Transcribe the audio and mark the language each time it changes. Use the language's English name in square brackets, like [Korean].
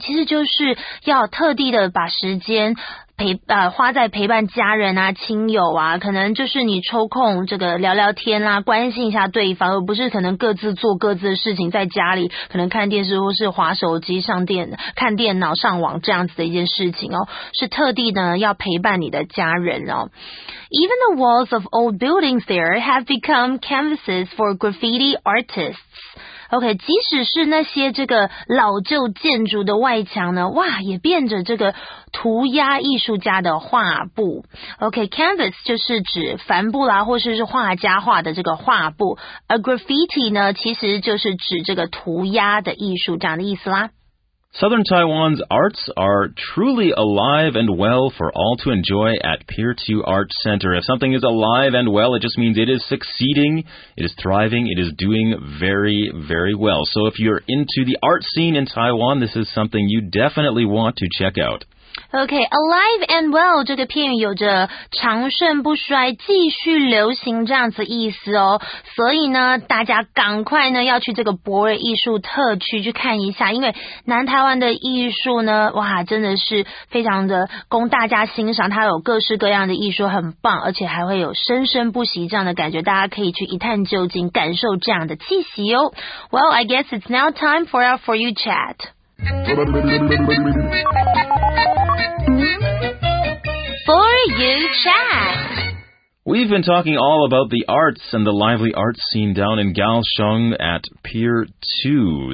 [Chinese] 其实就是要特地的把时间花在陪伴家人啊亲友啊，可能就是你抽空这个聊聊天啦、啊、关心一下对方，而不是可能各自做各自的事情，在家里可能看电视或是滑手机上电看电脑上网这样子的一件事情哦，是特地呢要陪伴你的家人哦。 [English] Even the walls of old buildings there have become canvases for graffiti artists. [Chinese] OK， 即使是那些这个老旧建筑的外墙呢，哇，也变着这个涂鸦艺术家的画布。 OK， canvas 就是指帆布啦，或者 是画家画的这个画布。而 graffiti 呢，其实就是指这个涂鸦的艺术这样的意思啦。 [English] Southern Taiwan's arts are truly alive and well for all to enjoy at Pier 2 Art Center. If something is alive and well, it just means it is succeeding, it is thriving, it is doing very, very well. So if you're into the art scene in Taiwan, this is something you definitely want to check out. [Chinese] Okay, [English] alive and well [Chinese] 这个片语有着长盛不衰、继续流行这样子意思哦。所以呢，大家赶快呢要去这个博尔艺术特区去看一下，因为南台湾的艺术呢，哇，真的是非常的供大家欣赏，它有各式各样的艺术，很棒，而且还会有生生不息这样的感觉，大家可以去一探究竟，感受这样的气息哦。 [English] Well, I guess it's now time for our For You Chat. For You Chat. We've been talking all about the arts and the lively arts scene down in Kaohsiung at Pier 2.